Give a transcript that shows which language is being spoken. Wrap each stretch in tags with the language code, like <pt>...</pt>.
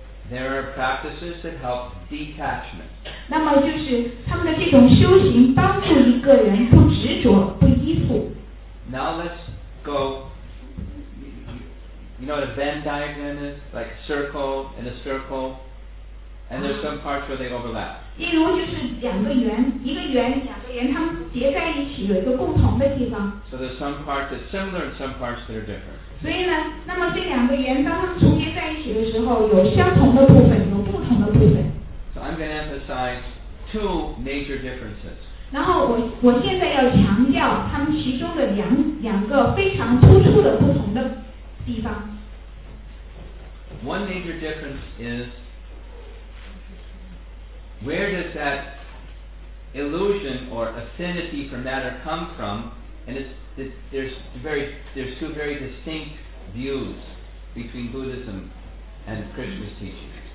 <en>There are practices that help detachment.</en> <zh>那么就是他们的这种修行帮助一个人不执着不依附。</zh> <en>Now let's go, you know what a Venn diagram is? Like circle and a circle, and there's some parts where they overlap.</en> <zh>例如就是两个圆，一个圆，两个圆，他们叠在一起，有一个共同的地方。</zh> <en>So there's some parts that are similar and some parts that are different.</en> <zh>所以呢，那么这两个圆当它们重叠在一起的时候，有相同的部分，有不同的部分。</zh> <en>So I'm going to emphasize two major differences.</en> <zh>然后我现在要强调它们其中的两个非常突出的不同的地方。</zh> <en>One major difference is where does that illusion or affinity for matter come from, and it's. There's two very distinct views between Buddhism and Krishna's teachings.</en>